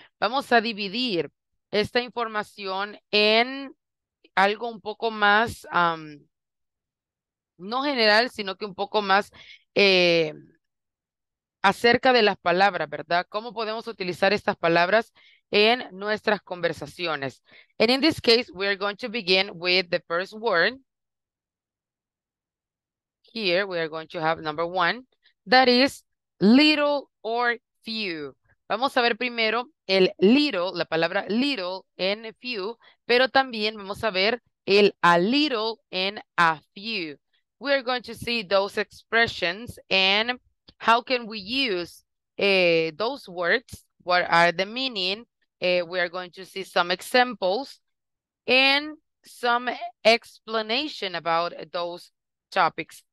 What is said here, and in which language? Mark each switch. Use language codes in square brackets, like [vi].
[es] Vamos a dividir esta información en algo un poco más, no general, sino que un poco más acerca de las palabras, ¿verdad? ¿Cómo podemos utilizar estas palabras en nuestras conversaciones? [en] And in this case, we are going to begin with the first word. Here we are going to have number one, that is little or few. [es] Vamos a ver primero el little, la palabra little en few, pero también vamos a ver el a little en a few. [en] We are going to see those expressions and how can we use those words, what are the meaning. We are going to see some examples and some explanation about those topics.